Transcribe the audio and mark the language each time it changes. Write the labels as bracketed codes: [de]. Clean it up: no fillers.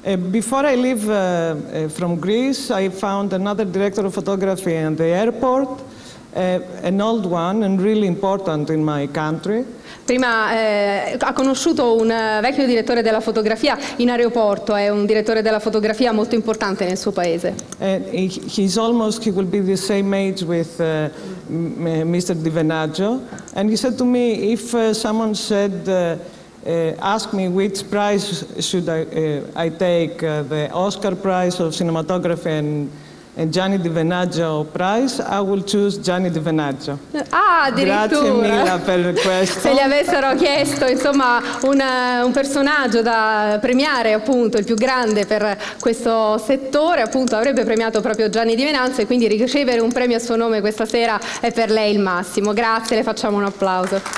[en] Before I leave from Greece, I found another director of photography in the airport, an old one and really important in my country. [it] Prima ha conosciuto un vecchio direttore della fotografia in aeroporto, è un direttore della fotografia molto importante nel suo paese. [en] He's almost, he will be the same age with Mr. Di Venaggio, and he said to me, if someone said, ask me which prize should I take, the Oscar prize of cinematography and Gianni Di Venaggio prize, I will choose Gianni Di Venaggio. [it] Ah, addirittura. Grazie mille per questo. Se gli avessero chiesto, insomma, un personaggio da premiare, appunto, il più grande per questo settore, appunto, avrebbe premiato proprio Gianni Di Venaggio, e quindi ricevere un premio a suo nome questa sera è per lei il massimo. Grazie, le facciamo un applauso.